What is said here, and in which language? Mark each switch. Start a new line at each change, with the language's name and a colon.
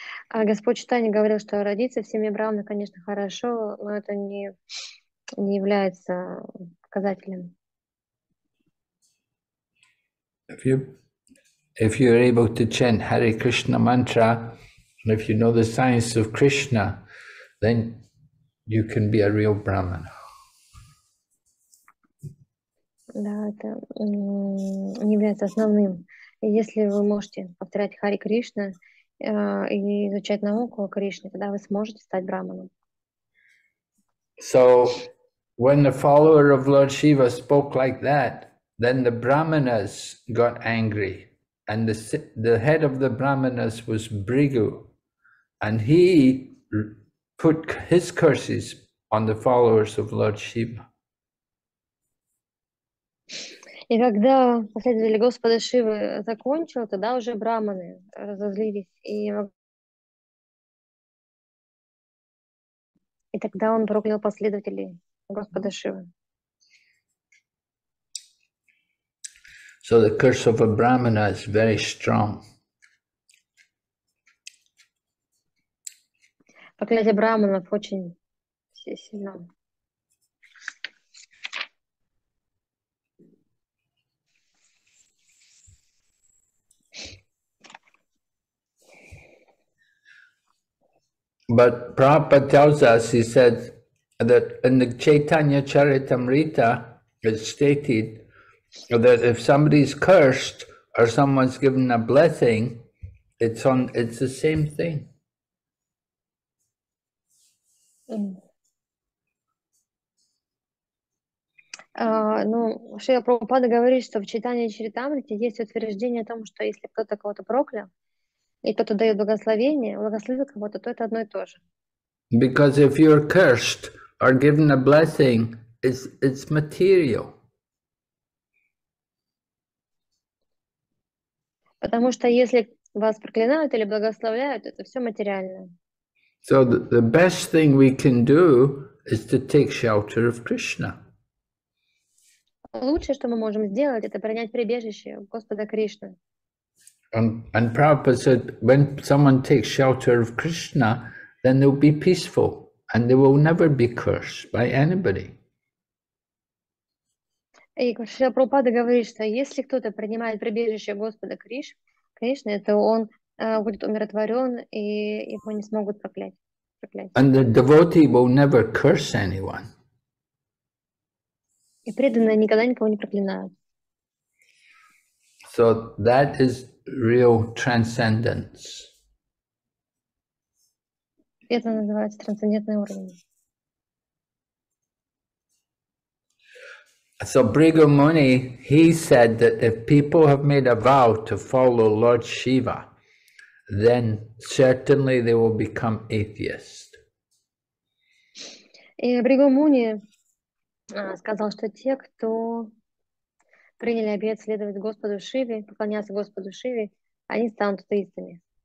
Russian: А Господь Читания говорил, что родиться в семье брахмана, конечно, хорошо, но это не является показателем.
English: If you are able to chant Hare Krishna mantra, and if you know the science of Krishna, then you can be a real brahmana.
Russian: Да, это не является основным. Если вы можете повторять Хари Кришна и изучать науку о Кришне, тогда вы сможете стать брахманом.
English: So, when the follower of Lord Shiva spoke like that, then the brahmanas got angry, and the head of the brahmanas was Bhrigu, and he put his curses on the followers of Lord Shiva.
Russian: И когда последователь Господа Шивы закончил, тогда уже браманы разозлились. И тогда он проклял последователей Господа Шивы.
English: So the curse of a brahmana is very strong.
Russian: Проклятие браманов очень сильно.
English: But Prabhupada tells us, he said, that in the Chaitanya Charitamrita, it's stated that if somebody's cursed or someone's given a blessing, it's the same thing.
Russian: Ну, Шрила Прабхупада говорит, что в Чайтанья Чаритамрите есть утверждение о том, что если кто-то кого-то проклял, и кто-то дает благословение, благословил кого-то, то это одно и то же.
English: Because if you're cursed or given a blessing, it's material.
Russian: Потому что если вас проклинают или благословляют, это все материальное.
English: So the best thing we can do is to take shelter of Krishna.
Russian: Лучшее, что мы можем сделать, это принять прибежище Господа Кришны.
English: And Prabhupada said, when someone takes shelter of Krishna, then they'll be peaceful and they will never be cursed by anybody.
Russian: И Шрила Прабхупада говорит, что если кто-то принимает прибежище Господа Кришны, то он будет умиротворен и его не смогут проклять.
English: And the devotee will never curse anyone.
Russian: И преданные никогда никого не проклинают.
English: So that is real transcendence.
Russian: Это называется трансцендентный уровень.
English: So Bhrigu Muni, he said that if people have made a vow to follow Lord Shiva, then certainly they will become atheist.
Russian: И Бригу Муни сказал, что те, кто приняли обет следовать Господу Шиве, поклоняться Господу Шиве, они станут атеистами.